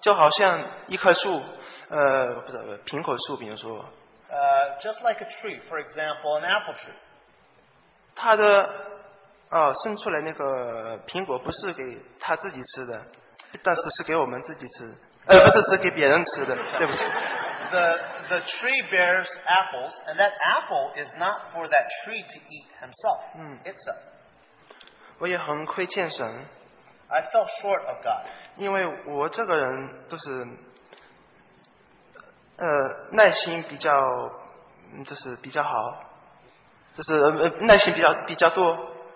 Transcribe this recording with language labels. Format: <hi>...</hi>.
<zh>就好像一棵树，苹果树，比如说</zh> <en>just like a tree, for example, an apple tree.</en> <zh>它的 生出来那个苹果不是给他自己吃的 但是是给我们自己吃 不是给别人吃的 对不起</zh> <en>the tree bears apples and that apple is not for that tree to eat himself itself</en> <zh>我也很亏欠神</zh> <en>I fell short of God</en> <zh>因为我这个人都是 耐心比较 就是比较好 就是耐心比较多</zh>